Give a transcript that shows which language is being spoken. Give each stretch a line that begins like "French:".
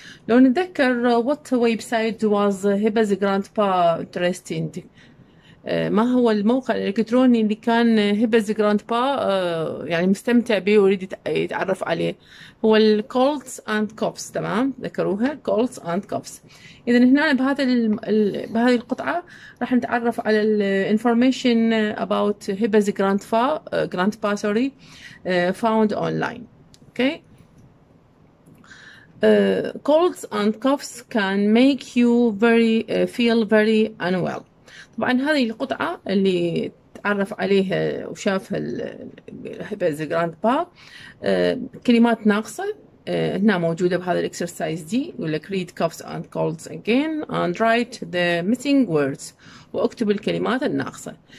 Arabic: لو نتذكر
English: what website was Hiba's grandpa interested in.
Arabic: ما هو الموقع الإلكتروني اللي كان هبز جراند با يعني مستمتع به ويريد يتعرف عليه؟ هو الـ colds and coughs، تمام؟ ذكروها colds and coughs. إذن هنا بهذه القطعة راح نتعرف على الـ
English: information about
Arabic: هبز جراند با sorry found online.
English: okay colds and coughs can make you very feel very unwell.
Arabic: طبعا هذه القطعة اللي تعرف عليها وشافها الهبز جراند با كلمات ناقصة هنا موجودة بهذا الاكسرسايز دي، يقول لك
English: read coughs and colds again and write the missing words،
Arabic: واكتب الكلمات الناقصة.